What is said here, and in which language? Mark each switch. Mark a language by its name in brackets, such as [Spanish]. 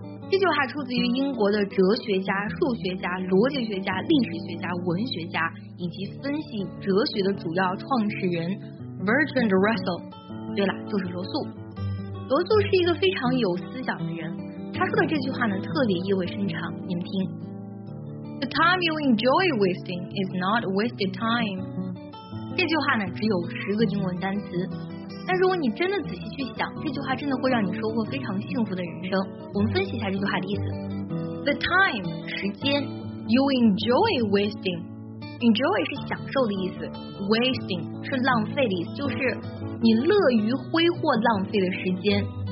[Chinese] 这句话出自于英国的哲学家、数学家、逻辑学家、历史学家、文学家以及分析哲学的主要创始人 Bertrand Russell。对了，就是罗素。罗素是一个非常有思想的人，他说的这句话呢，特别意味深长，你们听。 [English] The time you enjoy wasting is not wasted time。 [Chinese] 这句话呢只有十个英文单词，但如果你真的仔细去想，这句话真的会让你收获非常幸福的人生。我们分析一下这句话的意思。 [English] The time [Chinese] 时间 [English] You enjoy wasting， [Chinese] enjoy 是享受的意思， wasting 是浪费的意思，就是你乐于挥霍浪费的时间。